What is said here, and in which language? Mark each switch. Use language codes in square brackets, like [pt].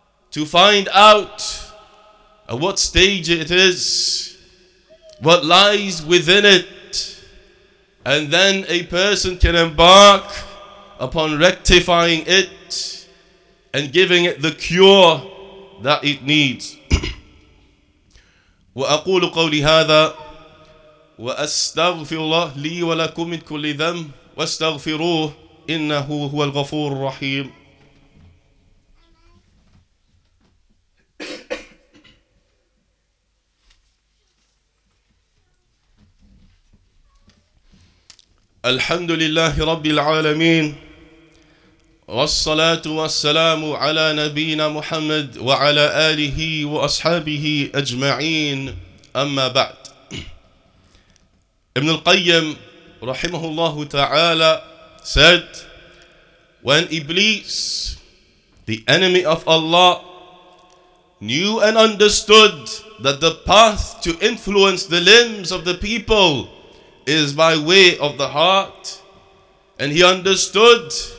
[en] to find out at what stage it is, what lies within it, and then a person can embark upon rectifying it and giving it the cure that it needs. [ar] وأقول قولي هذا وأستغفر الله لي ولكم من كل ذنب واستغفروه إنه هو الغفور الرحيم. الحمد لله رب العالمين والصلاة والسلام على نبينا محمد وعلى آله وأصحابه أجمعين أما بعد. [en] ابن القيم [ar] رحمه الله تعالى [en] said, when Iblis, the enemy of Allah, knew and understood that the path to influence the limbs of the people is by way of the heart, and he understood